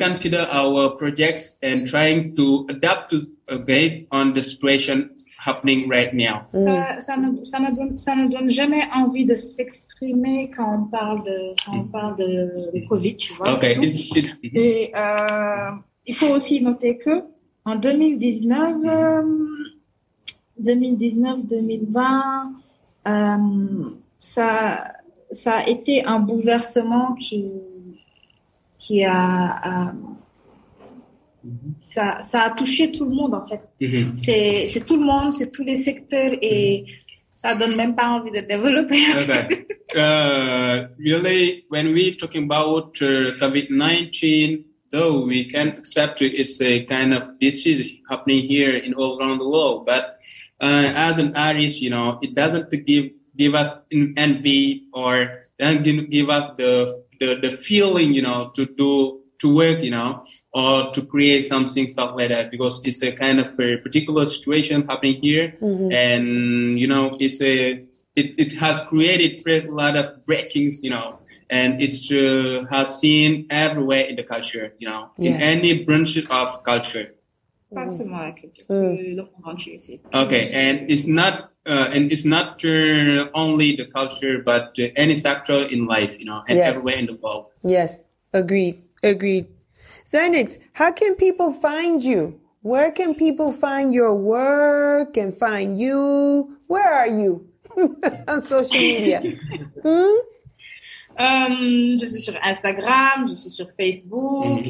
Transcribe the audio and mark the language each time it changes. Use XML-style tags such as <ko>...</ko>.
<en>Reconsider our projects and trying to adapt to, okay, on the situation happening right now.</en> <fr>Ça ne donne jamais envie de s'exprimer quand on parle de COVID, tu vois.</fr> <en>Okay.</en> <fr>Et il faut aussi noter que en 2019-2020, ça a été un bouleversement qui a touché tout le monde, en fait. C'est tout le monde, c'est tous les secteurs, et ça donne même pas envie de développer.</fr> <en>Okay. Really, when we're talking about COVID-19, though, we can accept it's a kind of disease happening here in all around the world, but as an artist, you know, it doesn't give us envy, or doesn't give us the feeling, you know, to work, you know, or to create something, stuff like that, because it's a kind of a particular situation happening here, and, you know, it has created a lot of breakings, you know, and it has seen everywhere in the culture, you know, in any branch of culture. Okay, and it's not only the culture, but any sector in life, you know, and everywhere in the world. Yes, agreed. Zeinixx, how can people find you? Where can people find your work and find you? Where are you on social media?</en> <fr>Je suis sur Instagram, je suis sur Facebook mm-hmm.</fr>